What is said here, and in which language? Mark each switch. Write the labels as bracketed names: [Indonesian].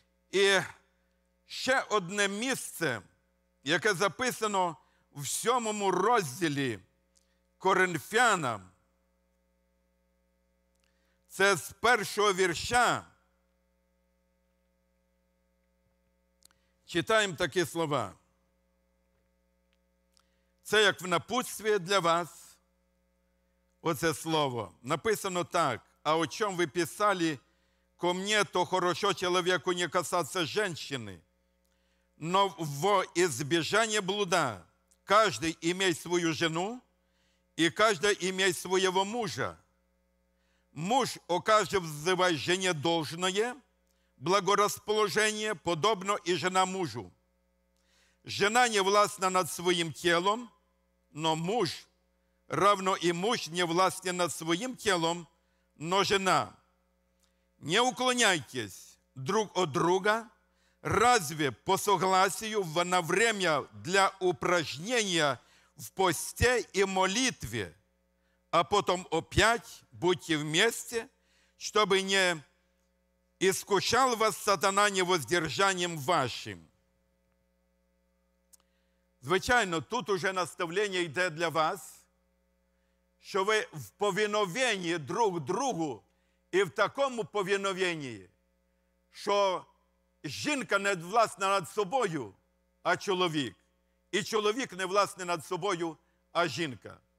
[Ukrainian] І ще одне місце, яке записано в 7 розділі Коринфянам, це з 1 вірша. Читаємо такі слова. Це як в напутстві для вас, оце слово. [Russian] Написано так: [Ukrainian] «А о чому ви писали [Russian] ко мне, то хорошо человеку не касаться женщины, но во избежание блуда каждый имеет свою жену, и каждая имеет своего мужа. Муж, о каждой взывай жене должное, благорасположение, подобно и жена мужу. Жена не властна над своим телом, но муж, равно и муж не властен над своим телом, но жена. Не уклоняйтесь друг от друга, разве по согласию на время для упражнения в посте и молитве, а потом опять будьте вместе, чтобы не искушал вас сатана невоздержанием вашим». [Ukrainian] Звичайно, тут уже наставление йде для вас, що ви в повиновенні друг другу і в такому повиновенні, що жінка не власна над собою, а чоловік, і чоловік не власний над собою, а жінка.